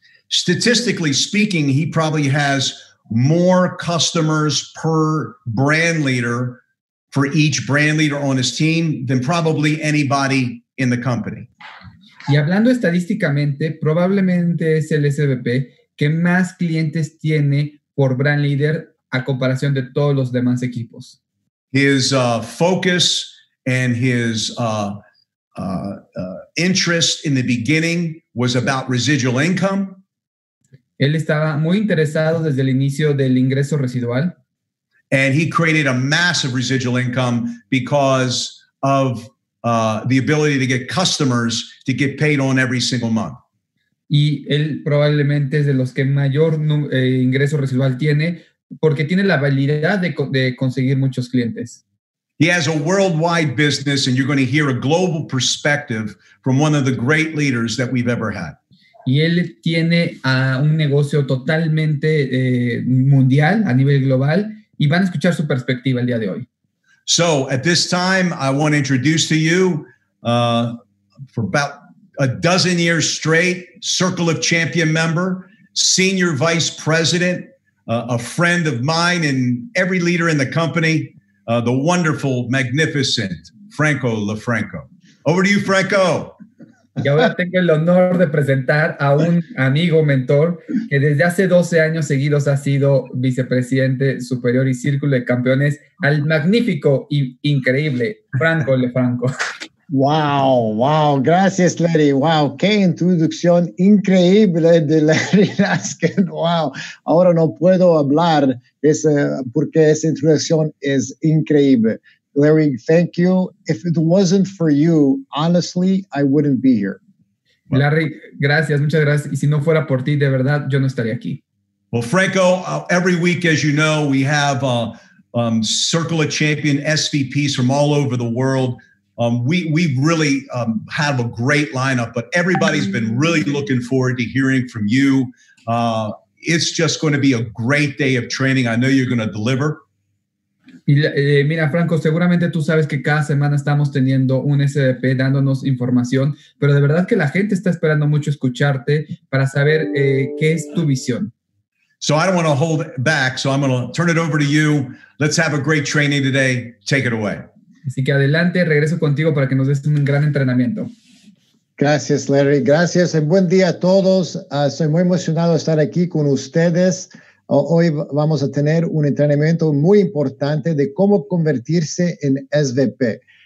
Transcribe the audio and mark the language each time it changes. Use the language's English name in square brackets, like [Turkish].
[English] Statistically speaking, he probably has more customers per brand leader for each brand leader on his team than probably anybody in the company. [Spanish] Y hablando estadísticamente, probablemente es el SVP que más clientes tiene por brand leader a comparación de todos los demás equipos. [English] His focus and his interest in the beginning was about residual income. [Spanish] Él estaba muy interesado desde el inicio del ingreso residual. [English] And he created a massive residual income because of the ability to get customers to get paid on every single month. [Spanish] Y él probablemente es de los que mayor ingreso residual tiene porque tiene la habilidad de conseguir muchos clientes. [English] He has a worldwide business and you're going to hear a global perspective from one of the great leaders that we've ever had. [Spanish] Y él tiene un negocio totalmente mundial a nivel global y van a escuchar su perspectiva el día de hoy. [English] So, at this time, I want to introduce to you, for about a dozen years straight, Circle of Champion member, senior vice president, a friend of mine and every leader in the company, the wonderful, magnificent Franco Lofranco. Over to you, Franco. [Spanish] Y ahora tengo el honor de presentar a un amigo mentor que desde hace 12 años seguidos ha sido vicepresidente superior y círculo de campeones, al magnífico y increíble Franco Lofranco. Wow, wow, gracias Larry, wow, qué introducción increíble de Larry Raskin, wow, ahora no puedo hablar porque esa introducción es increíble. [English] Larry, thank you. If it wasn't for you, honestly, I wouldn't be here. [Spanish] Larry, gracias, muchas gracias. Y si no fuera por ti, de verdad, yo no estaría aquí. [English] Well, Franco, every week, as you know, we have Circle of Champion SVPs from all over the world. We really have a great lineup, but everybody's been really looking forward to hearing from you. It's just going to be a great day of training. I know you're going to deliver. [Spanish] Y mira, Franco, seguramente tú sabes que cada semana estamos teniendo un SVP dándonos información, pero de verdad que la gente está esperando mucho escucharte para saber qué es tu visión. [English] So I don't want to hold back, so I'm going to turn it over to you. Let's have a great training today. Take it away. [Spanish] Así que adelante, regreso contigo para que nos des un gran entrenamiento. Gracias, Larry. Gracias. Buen día a todos. Soy muy emocionado de estar aquí con ustedes. Hoy vamos a tener un entrenamiento muy importante de cómo convertirse en SVP.